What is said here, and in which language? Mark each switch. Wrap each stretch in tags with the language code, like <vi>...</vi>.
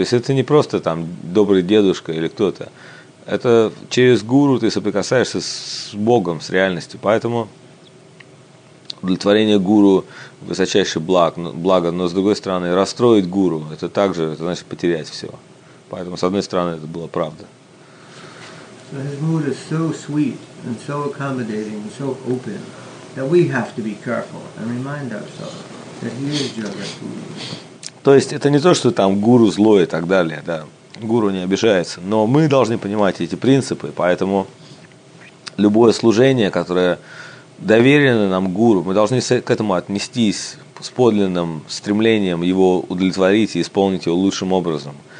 <ru>То есть это не просто там добрый дедушка или кто-то. Это через гуру ты соприкасаешься с Богом, с реальностью. Поэтому удовлетворение гуру высочайший благо, но с другой стороны, расстроить гуру, это также, это значит потерять все. Поэтому, с одной стороны, это была правда.</ru> <en>So his mood is so sweet and so accommodating and so open that we have to be careful and remind ourselves that he is Jagat Guru.</en> <ru>То есть это не то, что там гуру злой и так далее, да. Гуру не обижается. Но мы должны понимать эти принципы, поэтому любое служение, которое доверены нам гуру, мы должны к этому отнестись с подлинным стремлением его удовлетворить и исполнить его лучшим образом.</ru>